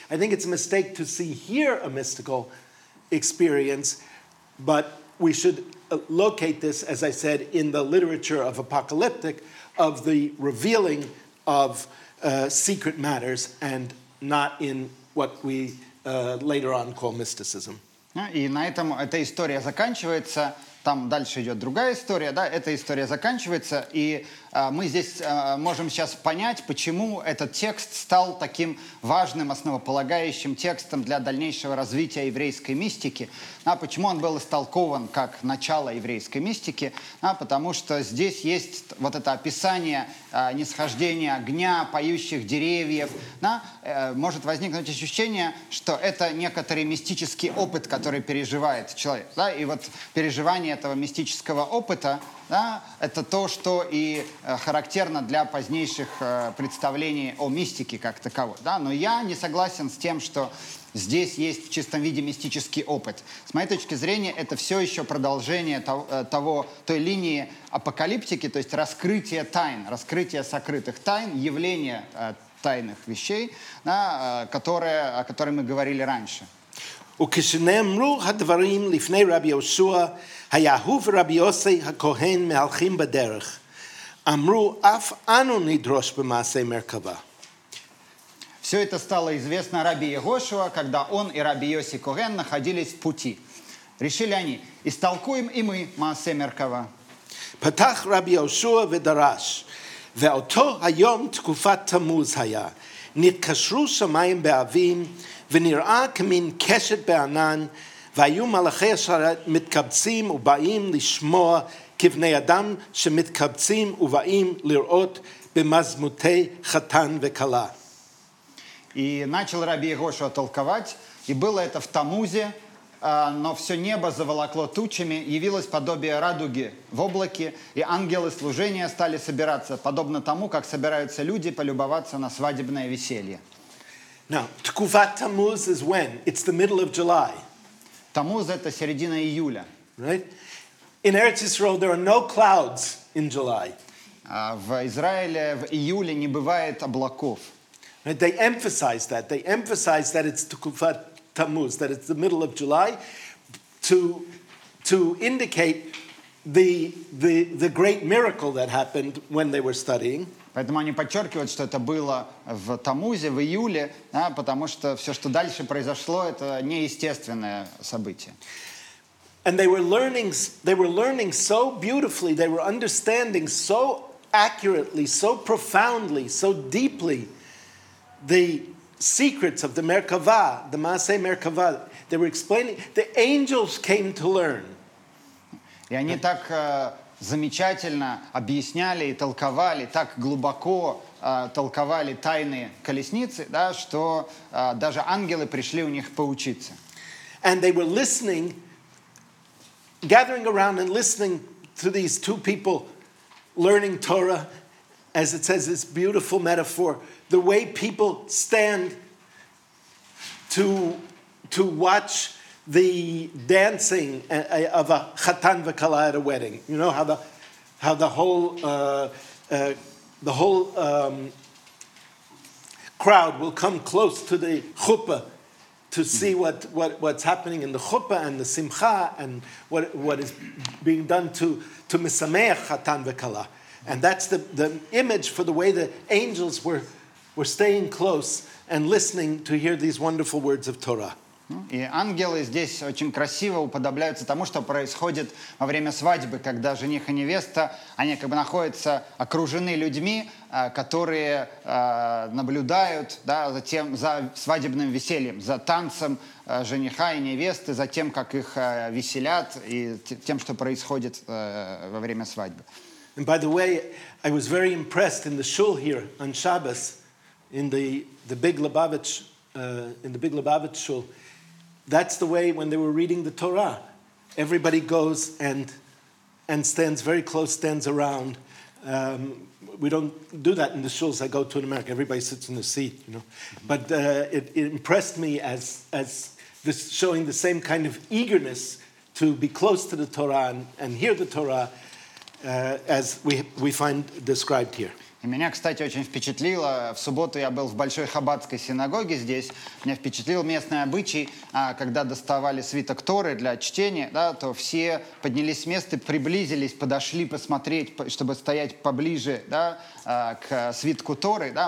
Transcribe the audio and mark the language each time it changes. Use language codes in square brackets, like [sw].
[en] I think it's a mistake to see here a mystical experience, but we should locate this, as I said, in the literature of apocalyptic, of the revealing of secret matters and not in what we later on call mysticism. [ru] И на этом эта история заканчивается. Там дальше идет другая история, да? Эта история заканчивается, и мы здесь можем сейчас понять, почему этот текст стал таким важным основополагающим текстом для дальнейшего развития еврейской мистики. А почему он был истолкован как начало еврейской мистики? А потому что здесь есть вот это описание нисхождения огня, поющих деревьев. Да? Может возникнуть ощущение, что это некоторый мистический опыт, который переживает человек. Да? И вот переживание этого мистического опыта, Да? Это то, что и характерно для позднейших представлений о мистике как таковой. Да? Но я не согласен с тем, что здесь есть в чистом виде мистический опыт. С моей точки зрения, это все еще продолжение той линии апокалиптики, то есть раскрытие тайн, раскрытие сокрытых тайн, явление тайных вещей, да, о которых мы говорили раньше. [he] וכשנאמרו הדברים לפני רבי יהושע, היה הוא ורבי יוסי הכהן מהלכים בדרך. אמרו, אף אנו נדרוש במעשה מרכבה. [ru] Все это стало известно Раби Йошуа, когда он и Раби Йоси Коген находились в пути. Решили они, истолкуем и мы Маасе Меркава. [he] Патах Раби Йошуа ведараш, ואותו היום תקופת תמוז היה, נתקשרו שמיים באבים, ונראה כמין קשת בענן, והיו מלאכי אשר מתקבצים ובאים לשמוע כבני אדם שמתקבצים ובאים לראות במזמותי חתן וכלה. [ru] И начал Раби Йошуа толковать, и было это в Тамузе, но все небо заволокло тучами, явилось подобие радуги в облаке, и ангелы служения стали собираться, подобно тому, как собираются люди полюбоваться на свадебное веселье. [en] Now, Tkuvat Tammuz is when? It's the middle of July. [ru] Tammuz – это середина июля. [en] Right? In Eretz Yisrael, there are no clouds in July. [ru] В Израиле в июле не бывает облаков. [en] Right, they emphasize that. They emphasize that it's Tkuvat Tammuz, that it's the middle of July, to indicate the great miracle that happened when they were studying. [ru] Поэтому они подчеркивают, что это было в Тамузе, в июле, да, потому что все, что дальше произошло, это неестественное событие. [en] And they were learning so beautifully, they were understanding so accurately, so profoundly, so deeply. The secrets of the Merkava, the Maase Merkava, they were explaining. The angels came to learn. [ru] И они так замечательно объясняли и толковали, так глубоко толковали тайны колесницы, да, что даже ангелы пришли у них поучиться. [en] And they were listening, gathering around and listening to these two people learning Torah, as it says, this beautiful metaphor. The way people stand to watch the dancing of a [he] chatan v'kala [en] at a wedding. You know how the whole crowd will come close to the chuppah to see what's happening in the chuppah and the simcha and what is being done to [he] misameach chatan v'kala. [en] And that's the image for the way the angels were staying close and listening to hear these wonderful words of Torah. [ru] И ангелы здесь очень красиво уподобляются тому, что происходит во время свадьбы, когда жених и невеста, они как бы находятся окружены людьми, которые наблюдают, да, за тем, за свадебным весельем, за танцем жениха и невесты, за тем, как их веселят и тем, что происходит во время свадьбы. [en] And by the way, I was very impressed in the shul here on Shabbos, in the big Lubavitch, in the big Lubavitch shul. That's the way when they were reading the Torah, everybody goes and stands very close, stands around. We don't do that in the shuls I go to in America. Everybody sits in the seat, you know. But it impressed me as this showing the same kind of eagerness to be close to the Torah and hear the Torah. As we find described here. [ru] И меня, кстати, очень впечатлило. В субботу я был в Большой Хабадской синагоге здесь. Меня впечатлил местный обычай, когда доставали свиток Торы для чтения, да, то все поднялись с места, приблизились, подошли посмотреть, чтобы стоять поближе, да, к свитку Торы. Да.